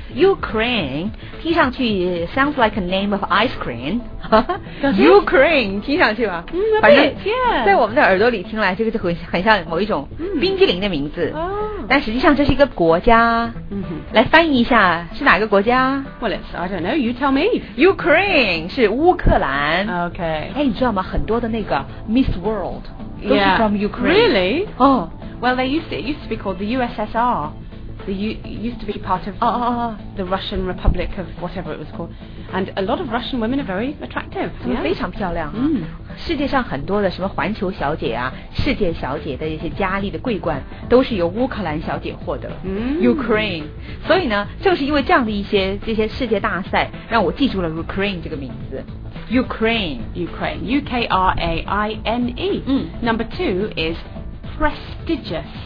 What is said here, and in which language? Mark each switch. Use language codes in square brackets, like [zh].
[en] Ukraine [zh] 听上去 [en] sounds like a name of ice cream. [zh] Ukraine 听上去吗？反正在我们的耳朵里听来，这个就很像某一种冰激凌的名字。但实际上这是一个国家。来翻译一下，是哪个国家？ [en] Well, it's, I don't know. You tell me. [zh] Ukraine 是乌克兰。 [en] Okay. [zh] 哎，你知道吗？很多的那个 Miss World 都是 [en] from Ukraine. Really? Oh. Well, it used to be called the USSR. The used to be part of the Russian Republic of whatever it was called. And a lot of Russian women are very attractive. [zh] 她们非常漂亮、啊、世界上很多的什么环球小姐啊，世界小姐的一些佳丽的桂冠都是由乌克兰小姐获得、Ukraine. 所以呢，正是因为这样的一些这些世界大赛，让我记住了 Ukraine 这个名字。 [en] Ukraine. U-K-R-A-I-N-E.、Number two is prestigious.